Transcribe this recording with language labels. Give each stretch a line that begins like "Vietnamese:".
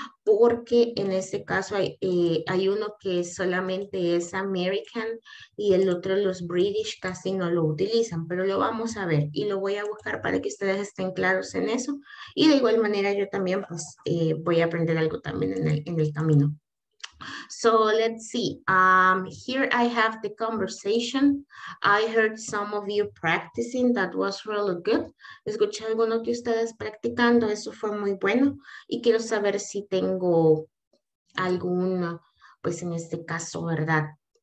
Spanish: Porque en este caso hay uno que solamente es American y el otro los British casi no lo utilizan. Pero lo vamos a ver y lo voy a buscar para que ustedes estén claros en eso. Y de igual manera yo también pues voy a aprender algo también en el camino.
English: So let's see, here I have the conversation. I heard some of you practicing, that was really good.
Spanish: Escuché alguno de ustedes practicando, eso fue muy bueno. Y quiero saber si tengo alguna, pues en este caso, ¿verdad?